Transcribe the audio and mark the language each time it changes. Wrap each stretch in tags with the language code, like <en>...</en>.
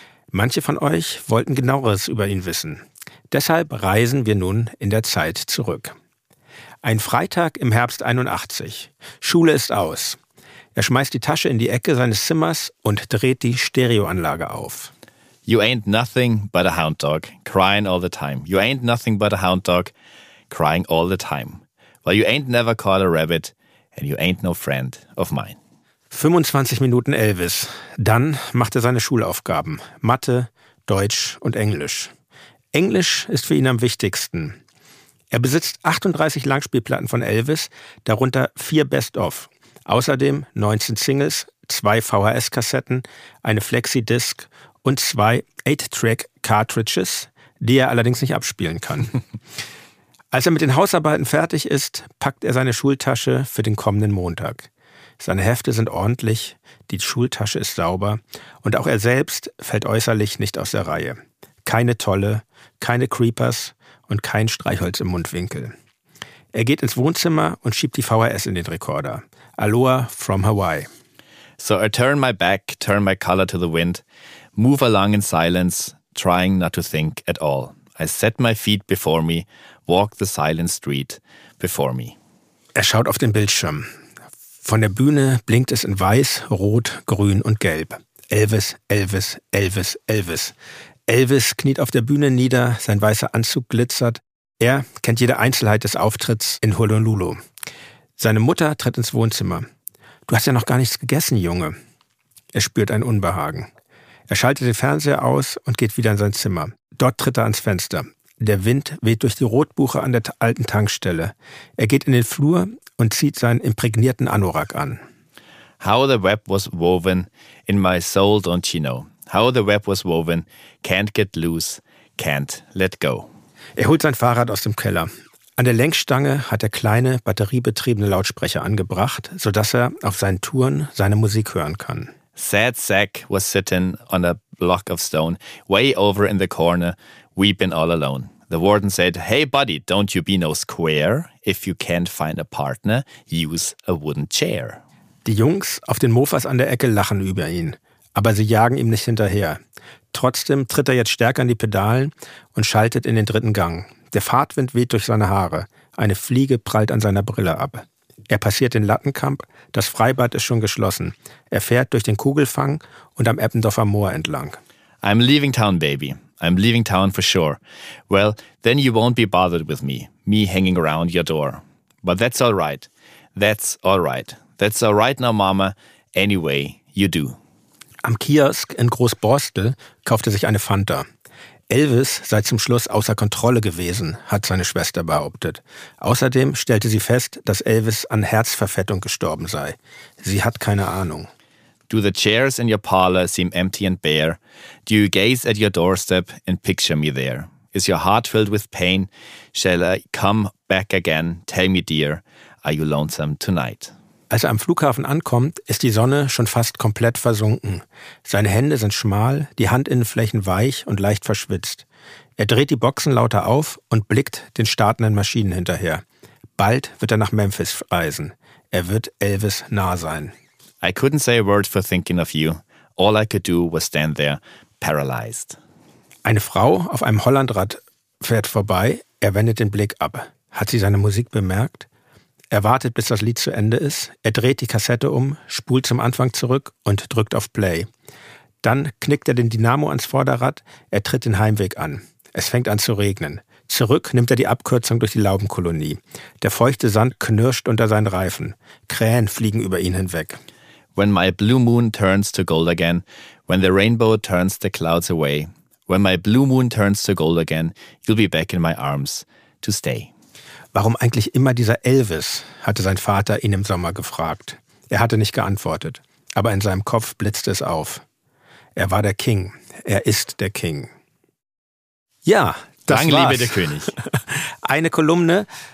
<de>Manche von euch wollten genaueres über ihn wissen. Deshalb reisen wir nun in der Zeit zurück. Ein Freitag im Herbst 81. Schule ist aus. Er schmeißt die Tasche in die Ecke seines Zimmers und dreht die Stereoanlage auf.</de> <en>You ain't nothing but a hound dog, crying all the time. You ain't nothing but a hound dog, crying all the time. Well, you ain't never caught a rabbit and you ain't no friend of mine.</en> <de>25 Minuten Elvis. Dann macht er seine Schulaufgaben. Mathe, Deutsch und Englisch. Englisch ist für ihn am wichtigsten. Er besitzt 38 Langspielplatten von Elvis, darunter 4 Best-of. Außerdem 19 Singles, 2 VHS-Kassetten, eine Flexi-Disc und 2 8-Track-Cartridges, die er allerdings nicht abspielen kann. Als er mit den Hausarbeiten fertig ist, packt er seine Schultasche für den kommenden Montag. Seine Hefte sind ordentlich, die Schultasche ist sauber und auch er selbst fällt äußerlich nicht aus der Reihe. Keine Tolle, keine Creepers und kein Streichholz im Mundwinkel. Er geht ins Wohnzimmer und schiebt die VHS in den Rekorder.</de> <en>Aloha from Hawaii. So I turn my back, turn my color to the wind, move along in silence, trying not to think at all. I set my feet before me, walk the silent street before me.</en> <de>Er schaut auf den Bildschirm. Von der Bühne blinkt es in Weiß, Rot, Grün und Gelb. Elvis, Elvis, Elvis, Elvis. Elvis kniet auf der Bühne nieder, sein weißer Anzug glitzert. Er kennt jede Einzelheit des Auftritts in Honolulu. Seine Mutter tritt ins Wohnzimmer. Du hast ja noch gar nichts gegessen, Junge. Er spürt ein Unbehagen. Er schaltet den Fernseher aus und geht wieder in sein Zimmer. Dort tritt er ans Fenster. Der Wind weht durch die Rotbuche an der alten Tankstelle. Er geht in den Flur und zieht seinen imprägnierten Anorak an.</de> <en>How the web was woven in my soul, don't you know? How the web was woven, can't get loose, can't let go.</en> <de>Er holt sein Fahrrad aus dem Keller. An der Lenkstange hat er kleine, batteriebetriebene Lautsprecher angebracht, sodass er auf seinen Touren seine Musik hören kann.</de> <en>Sad Sack was sitting on a block of stone, way over in the corner, weeping all alone. The warden said, hey buddy, don't you be no square. If you can't find a partner, use a wooden chair.</en> <de>Die Jungs auf den Mofas an der Ecke lachen über ihn. Aber sie jagen ihm nicht hinterher. Trotzdem tritt er jetzt stärker an die Pedalen und schaltet in den dritten Gang. Der Fahrtwind weht durch seine Haare. Eine Fliege prallt an seiner Brille ab. Er passiert den Lattenkamp. Das Freibad ist schon geschlossen. Er fährt durch den Kugelfang und am Eppendorfer Moor entlang.</de> <en>I'm leaving town, baby. I'm leaving town for sure. Well, then you won't be bothered with me. Me hanging around your door. But that's all right. That's all right. That's all right now, Mama. Anyway, you do.</en> <de>Am Kiosk in Großborstel kauft er sich eine Fanta. Elvis sei zum Schluss außer Kontrolle gewesen, hat seine Schwester behauptet. Außerdem stellte sie fest, dass Elvis an Herzverfettung gestorben sei. Sie hat keine Ahnung.</de> <en>Do the chairs in your parlor seem empty and bare? Do you gaze at your doorstep and picture me there? Is your heart filled with pain? Shall I come back again? Tell me, dear, are you lonesome tonight?</en> <de>Als er am Flughafen ankommt, ist die Sonne schon fast komplett versunken. Seine Hände sind schmal, die Handinnenflächen weich und leicht verschwitzt. Er dreht die Boxen lauter auf und blickt den startenden Maschinen hinterher. Bald wird er nach Memphis reisen. Er wird Elvis nah sein.</de> <en>I couldn't say a word for thinking of you. All I could do was stand there, paralyzed.</en> <de>Eine Frau auf einem Hollandrad fährt vorbei. Er wendet den Blick ab. Hat sie seine Musik bemerkt? Er wartet, bis das Lied zu Ende ist. Er dreht die Kassette um, spult zum Anfang zurück und drückt auf Play. Dann knickt er den Dynamo ans Vorderrad. Er tritt den Heimweg an. Es fängt an zu regnen. Zurück nimmt er die Abkürzung durch die Laubenkolonie. Der feuchte Sand knirscht unter seinen Reifen. Krähen fliegen über ihn hinweg.</de> <en>When my blue moon turns to gold again, when the rainbow turns the clouds away, when my blue moon turns to gold again, you'll be back in my arms to stay.</en> <de>Warum eigentlich immer dieser Elvis, hatte sein Vater ihn im Sommer gefragt. Er hatte nicht geantwortet, aber in seinem Kopf blitzte es auf. Er war der King. Er ist der King. Ja, das war's. Lang lebe der König. Eine Kolumne.</de>